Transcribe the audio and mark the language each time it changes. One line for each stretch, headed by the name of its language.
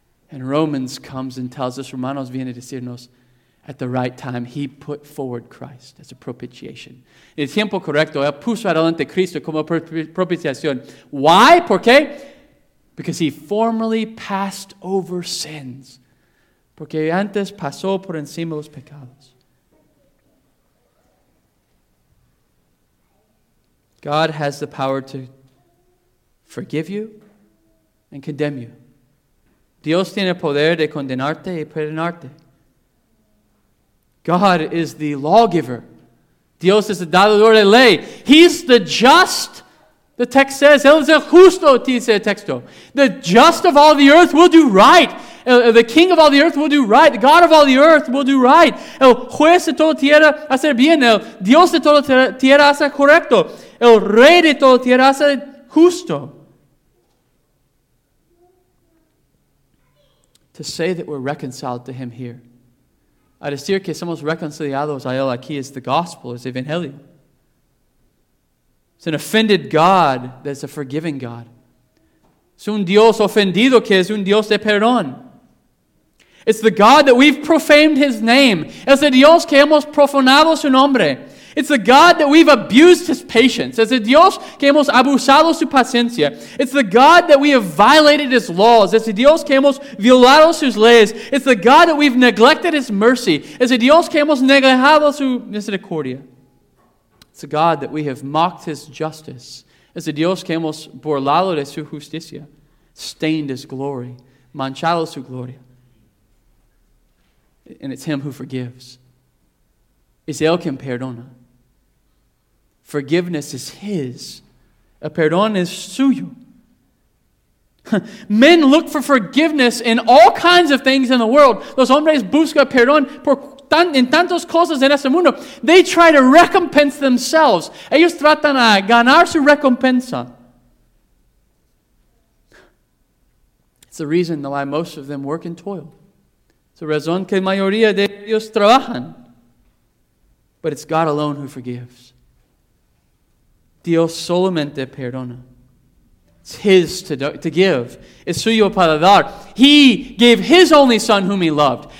English: And Romans comes and tells us,
Spanish: Romanos viene a decirnos,
English: at the right time, he put forward Christ as a propitiation.
Spanish: En el tiempo correcto, él puso adelante Cristo como propiciación.
English: Why?
Spanish: ¿Por qué?
English: Because he formerly passed over sins.
Spanish: Porque antes pasó por encima los pecados.
English: God has the power to forgive you and condemn you.
Spanish: Dios tiene el poder de condenarte y perdonarte.
English: God is the lawgiver.
Spanish: Dios es el dador de ley.
English: He's the just, The text says,
Spanish: el justo, dice el texto.
English: The just of all the earth will do right. The king of all the earth will do right. The God of all the earth will do right.
Spanish: El juez de toda tierra hace bien. El Dios de toda tierra hace correcto. El rey de toda tierra hace justo.
English: To say that we're reconciled to him here,
Spanish: a decir que somos reconciliados a él aquí,
English: is the gospel, is evangelio. It's an offended God that's a forgiving God.
Spanish: Es un Dios ofendido que es un Dios de perdón.
English: It's the God that we've profaned his name.
Spanish: Es el Dios que hemos profanado su nombre.
English: It's the God that we've abused his patience.
Spanish: Es el Dios que hemos abusado su paciencia.
English: It's the God that we have violated his laws.
Spanish: Es el Dios que hemos violado sus leyes.
English: It's the God that we've neglected his mercy.
Spanish: Es el Dios que hemos negado su misericordia.
English: It's the God that we have mocked his justice.
Spanish: Es el Dios que hemos burlado de su justicia.
English: Stained his glory.
Spanish: Manchado su gloria.
English: And it's him who forgives.
Spanish: Es él quien perdona.
English: Forgiveness is his.
Spanish: El perdón es suyo.
English: Men look for forgiveness in all kinds of things in the world.
Spanish: Los hombres buscan perdón en tantas cosas en este mundo.
English: They try to recompense themselves.
Spanish: Ellos tratan a ganar su recompensa.
English: It's the reason why most of them work in toil.
Spanish: It's the razón que la mayoría de ellos trabajan.
English: But it's God alone who forgives.
Spanish: Dios solamente perdona.
English: It's his to give.
Spanish: Es suyo para dar.
English: He gave his only son whom he loved.